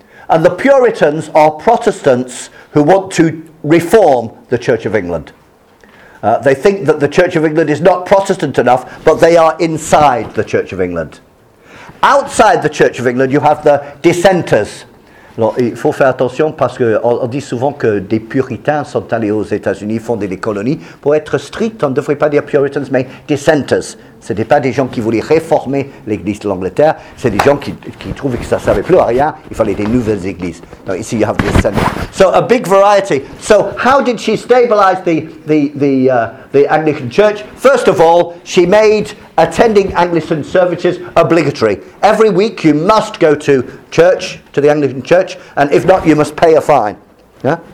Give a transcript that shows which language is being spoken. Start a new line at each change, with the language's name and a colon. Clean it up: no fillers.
English: And the Puritans are Protestants who want to reform the Church of England. They think that the Church of England is not Protestant enough, but they are inside the Church of England. Outside the Church of England, you have the dissenters.
French: Alors, il faut faire attention parce qu'on dit souvent que des puritains sont allés aux États-Unis fonder des colonies. Pour être strict, on ne devrait pas dire puritans, mais dissenters. Ce n'est pas des gens qui voulaient réformer l'église de l'Angleterre, c'est des gens qui trouvaient que ça ne servait plus à rien, il fallait des nouvelles églises. Donc ici,
English: you have dissenters. So, a big variety. So, how did she stabilize the Anglican Church? First of all, she made attending Anglican services obligatory. Every week you must go to church, to the Anglican Church, and if not, you must pay a fine. Yeah?